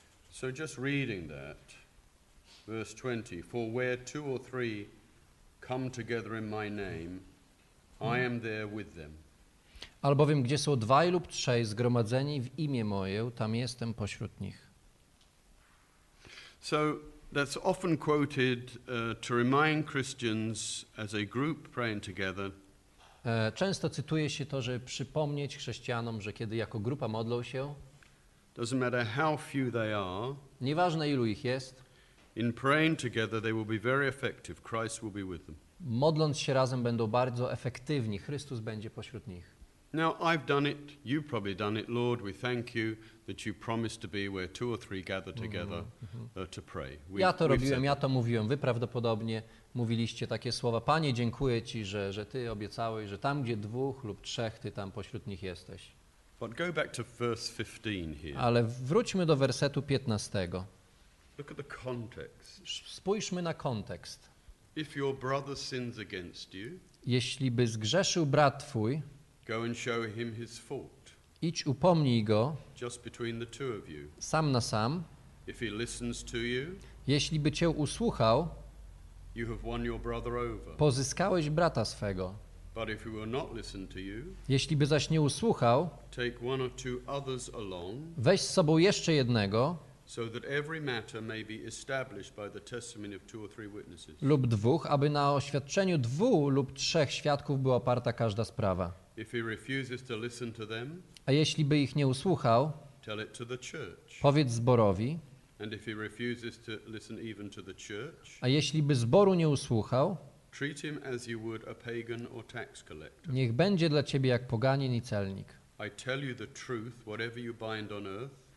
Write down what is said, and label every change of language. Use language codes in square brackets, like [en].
[en] So just reading that, verse 20. For where two or three come together in my name, I am there with them. [pl] Albowiem gdzie są dwaj lub trzej zgromadzeni w imię moje, tam jestem pośród nich. [en] So that's often quoted to remind Christians as a group praying together. [pl] Często cytuje się to, żeby przypomnieć chrześcijanom, że kiedy jako grupa modlą się. [en] Doesn't matter how few they are. [pl] Nieważne ilu ich jest. [en] In praying together they will be very effective. Christ will be with them. [pl] Modląc się razem będą bardzo efektywni. Chrystus będzie pośród nich. [en] Now I've done it. You've probably done it, Lord. We thank you that you promised to be where two or three gather together to pray. [pl] Ja to robiłem, ja to mówiłem. Wy prawdopodobnie mówiliście takie słowa. Panie, dziękuję ci, że ty obiecałeś, że tam gdzie dwóch lub trzech, ty tam pośród nich jesteś. [en] But go back to verse 15 here. [pl] Ale wróćmy do wersetu 15. [en] Look at the context. [pl] Spójrzmy na kontekst. [en] If your brother sins against you, [pl] jeśli by zgrzeszył brat twój, [en] go and show him his fault. [pl] Idź, upomnij go. [en] Just between the two of you. [pl] Sam na sam. [en] If he listens to you, [pl] jeśli by cię usłuchał, [en] you have won your brother over. [pl] Pozyskałeś brata swego. [en] But if he will not listen to you, [pl] jeśli by zaś nie usłuchał, [en] take one or two others along, [pl] weź z sobą jeszcze jednego, [en] So that every matter may be established by the testimony of two or three witnesses. [pl] Lub dwóch, aby na oświadczeniu dwóch lub trzech świadków była oparta każda sprawa. [en] If he refuses to listen to them, [pl] a jeśli by ich nie usłuchał, [en] tell it to the church. [pl] Powiedz zborowi. [en] And if he refuses to listen even to the church, [pl] a jeśli by zboru nie usłuchał, [en] treat him as you would a pagan or tax collector. [pl] Niech będzie dla ciebie jak poganin i celnik. [en] I tell you the truth, whatever you bind on earth,